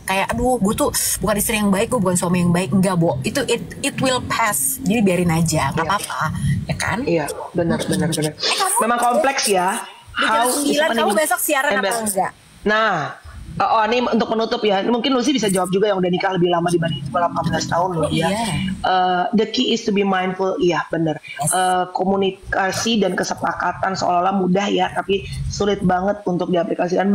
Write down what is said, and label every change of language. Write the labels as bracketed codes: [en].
[id] Kayak aduh, gue tuh bukan istri yang baik, gue bukan suami yang baik. Enggak, Bo, itu [en] it will pass. [id] Jadi biarin aja, gak apa-apa. Ya kan? Iya, benar. Memang kompleks ya. How gila, kamu besok siaran apa enggak? Nah, oh ini untuk menutup ya, mungkin Lucy bisa jawab juga yang udah nikah lebih lama dibanding 18 tahun loh ya. [en] The key is to be mindful, [id] iya bener. Komunikasi dan kesepakatan seolah-olah mudah ya, tapi sulit banget untuk diaplikasikan.